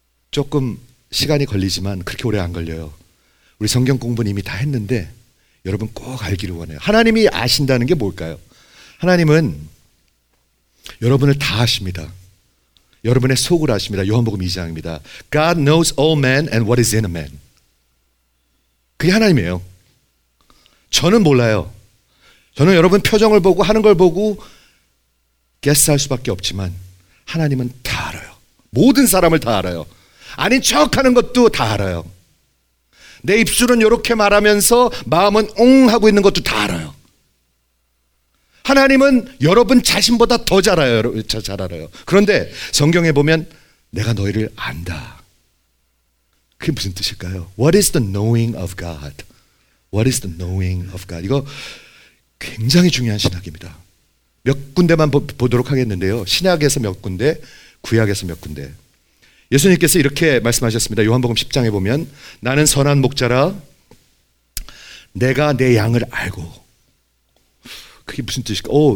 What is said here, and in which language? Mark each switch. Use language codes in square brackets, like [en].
[ko] 조금 시간이 걸리지만 그렇게 오래 안 걸려요. 우리 성경 공부는 이미 다 했는데 여러분 꼭 알기를 원해요. 하나님이 아신다는 게 뭘까요? 하나님은 여러분을 다 아십니다. 여러분의 속을 아십니다. 요한복음 2장입니다. [en] God knows all men and what is in a man. [ko] 그게 하나님이에요. 저는 몰라요. 저는 여러분 표정을 보고 하는 걸 보고 게스할 수밖에 없지만 하나님은 다 알아요. 모든 사람을 다 알아요. 아닌 척하는 것도 다 알아요. 내 입술은 이렇게 말하면서 마음은 옹 하고 있는 것도 다 알아요. 하나님은 여러분 자신보다 더 잘 알아요. 잘 알아요. 그런데 성경에 보면 내가 너희를 안다. 그게 무슨 뜻일까요? [en] What is the knowing of God? What is the knowing of God? [ko] 이거 굉장히 중요한 신학입니다. 몇 군데만 보도록 하겠는데요. 신약에서 몇 군데, 구약에서 몇 군데. 예수님께서 이렇게 말씀하셨습니다. 요한복음 10장에 보면 나는 선한 목자라 내가 내 양을 알고. 그게 무슨 뜻일까?